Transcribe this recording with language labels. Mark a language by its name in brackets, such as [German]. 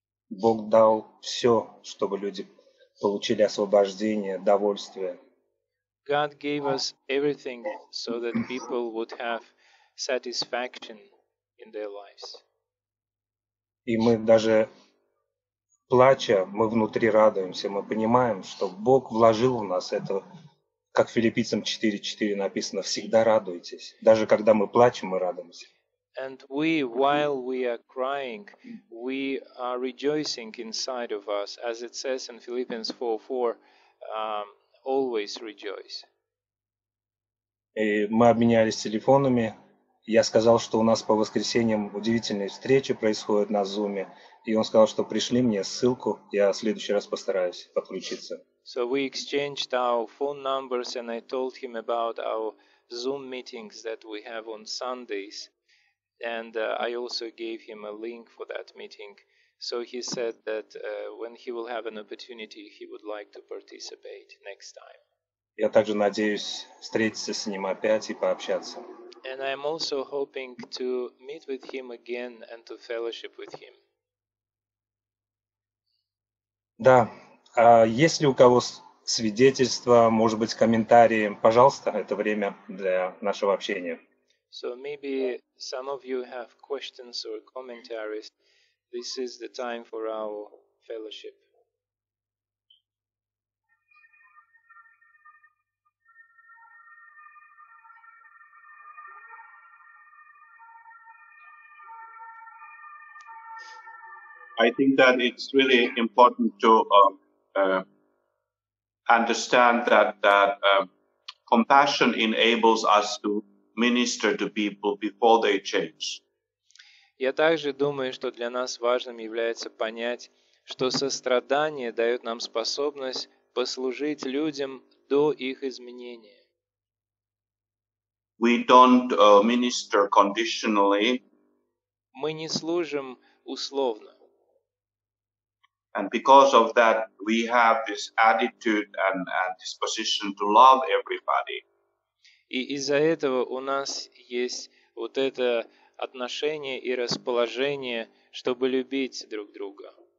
[Russian] Бог дал все, чтобы люди получили освобождение, довольствие. [English] God gave us everything so that people would have satisfaction in their lives. [Russian] И мы даже плача, мы внутри радуемся, мы понимаем, что Бог вложил в нас это, как Филиппийцам 4:4 написано, всегда радуйтесь. Даже когда мы плачем, мы радуемся. [English] And we, while we are crying, we are rejoicing inside of us, as it says in Philippians 4:4, always rejoice. [Russian] И мы обменялись телефонами. Я сказал, что у нас по воскресеньям удивительные встречи происходят на Zoom. И он сказал, что пришли мне ссылку, я в следующий раз постараюсь подключиться. [English] So we exchanged our phone numbers and I told him about our Zoom meetings that we have on Sundays. And I also gave him a link for that meeting. So he said that when he will have an opportunity, he would like to participate next time. [Russian] Я также надеюсь встретиться с ним опять и пообщаться. [English] And I'm also hoping to meet with him again and to fellowship with him. [Russian] Да. Есть ли у кого свидетельства, может быть, комментарии? Пожалуйста, это время для нашего общения. [English] So maybe some of you have questions or commentaries. This is the time for our fellowship. I think that it's really important to understand that compassion enables us to minister to people before they change. [Russian] Я также думаю, что для нас важным является понять, что сострадание дает нам способность послужить людям до их изменения. [English] We don't minister conditionally. [Russian] Мы не служим условно. [English] And because of that, we have this attitude and disposition to love everybody. [Russian] И из-за этого у нас есть вот это отношение и расположение, чтобы любить друг друга.